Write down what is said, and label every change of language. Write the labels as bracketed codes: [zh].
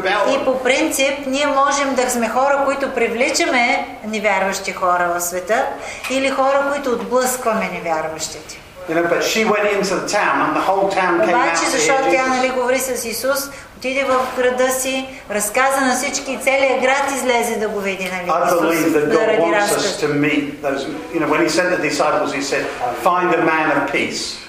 [bg] И по принцип, ние можем да сме хора, които привличаме невярващи хора в света, или хора, които отблъскваме невярващите. [en] You know, but she went into the town and the whole town came out. [bg] Обаче, защото тя нали говори с Исус, отиде в града си, разказа на всички, целият град излезе да го види, нали. [en] I believe that God wants us to meet those, you know, when he sent the disciples, he said, find a man of peace.